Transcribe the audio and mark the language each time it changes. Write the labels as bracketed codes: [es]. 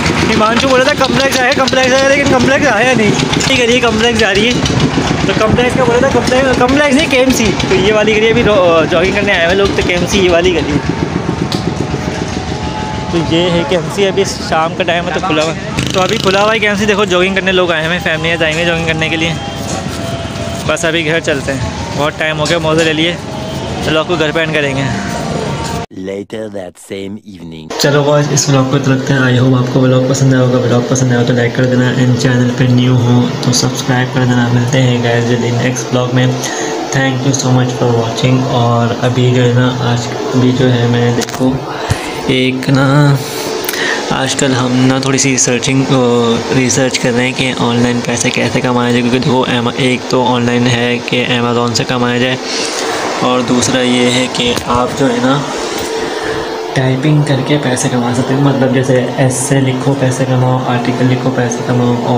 [hi] हिमांशु बोला था कॉम्प्लेक्स आया, कॉम्प्लेक्स आया, लेकिन कॉम्प्लेक्स आया नहीं, ठीक है ये कॉम्प्लेक्स जा रही है, तो कॉम्प्लेक्स का बोला था कॉम्प्लेक्स नहीं, केएमसी, तो ये वाली गली, अभी जॉगिंग करने आए हुए लोग, तो केएमसी ये वाली गली, तो ये है केएमसी, अभी शाम का टाइम है तो खुला हुआ, तो अभी खुला हुआ है केएमसी, देखो जॉगिंग करने लोग आए हैं, फैमिलियाँ जाएंगे जॉगिंग करने के लिए, बस अभी घर चलते हैं, बहुत टाइम हो गया मोजे ले लिए, चलो आपको घर पर एंड करेंगे। [en] Later that same evening. [hi] चलो गाइस, इस व्लॉग को रखते हैं, आई होप आपको व्लॉग पसंद आया होगा, व्लॉग पसंद आया हो तो लाइक कर देना, एंड चैनल पे न्यू हो तो सब्सक्राइब कर देना, मिलते हैं गाइस जल्दी नेक्स्ट व्लॉग में, [en] Thank you so much for watching. [hi] और अभी जो है ना, आज अभी जो है मैं देखो एक ना, आजकल हम ना थोड़ी सी रिसर्च कर रहे हैं कि ऑनलाइन पैसे कैसे कमाया जाए, क्योंकि देखो एक तो ऑनलाइन है कि अमेज़ॉन से कमाया जाए, और दूसरा ये है कि आप जो है ना टाइपिंग करके पैसे कमा सकते हो, मतलब जैसे एसे लिखो पैसे कमाओ, आर्टिकल लिखो पैसे कमाओ।